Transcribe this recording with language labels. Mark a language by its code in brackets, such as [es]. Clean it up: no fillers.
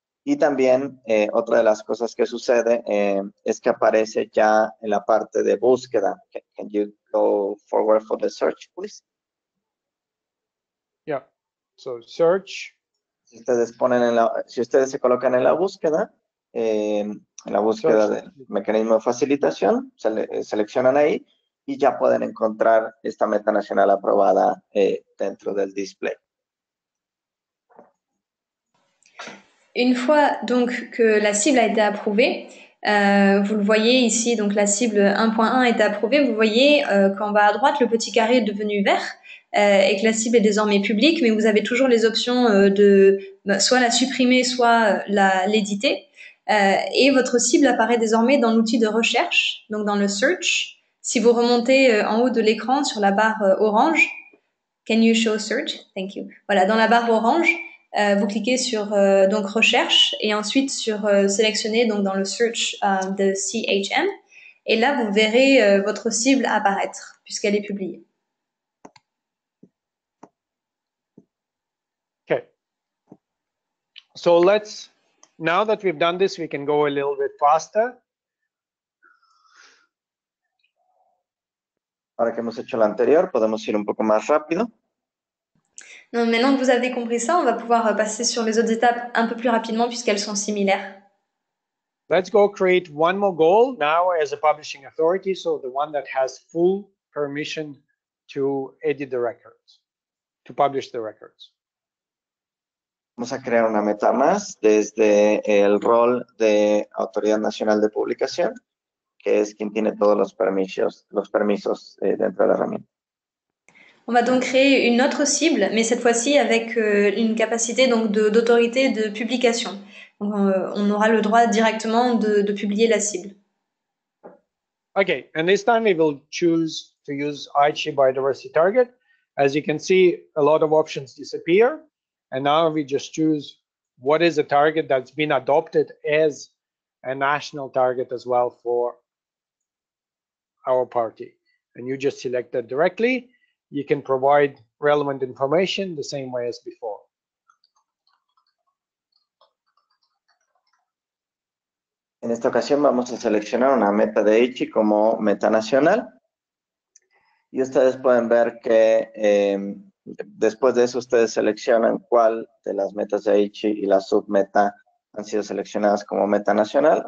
[es] Y también otra de las cosas que sucede es que aparece ya en la parte de búsqueda. [en] Can you go forward for the search, please? Yeah. So search. [es] Si ustedes ponen en la, si ustedes se colocan en la búsqueda search. Del mecanismo de facilitación, seleccionan ahí y ya pueden encontrar esta meta nacional aprobada dentro del display. [fr] Une fois donc que la cible a été approuvée, vous le voyez ici, donc la cible 1.1 a été approuvée, vous voyez qu'en bas à droite, le petit carré est devenu vert et que la cible est désormais publique, mais vous avez toujours les options de soit la supprimer, soit l'éditer. Et votre cible apparaît désormais dans l'outil de recherche, donc dans le search. Si vous remontez en haut de l'écran sur la barre orange, [en] can you show search? Thank you. [fr] Voilà, dans la barre orange, vous cliquez sur donc recherche et ensuite sur sélectionner donc dans le search de CHM et là vous verrez votre cible apparaître puisqu'elle est publiée. [en] Okay. So let's now that we've done this we can go a little bit faster. [es] Ahora que hemos hecho la anterior, podemos ir un poco más rápido. [fr] Non, maintenant que vous avez compris ça, on va pouvoir passer sur les autres étapes un peu plus rapidement puisqu'elles sont similaires. [en] Let's go create one more goal now as a publishing authority, so the one that has full permission to edit the records, to publish the records. [es] Vamos a crear una meta más desde el rol de Autoridad Nacional de Publicación, que es quien tiene todos los permisos dentro de la herramienta. [fr] On va donc créer une autre cible, mais cette fois-ci avec une capacité donc d'autorité de publication. Donc, on aura le droit directement de publier la cible. [en] Okay, and this time we will choose to use Aichi biodiversity target. As you can see, a lot of options disappear, and now we just choose what is a target that's been adopted as a national target as well for our party. And you just select that directly. You can provide relevant information the same way as before. [es] En esta ocasión vamos a seleccionar una meta de Aichi como meta nacional. Y ustedes pueden ver que después de eso ustedes seleccionan cuál de las metas de Aichi y la submeta han sido seleccionadas como meta nacional.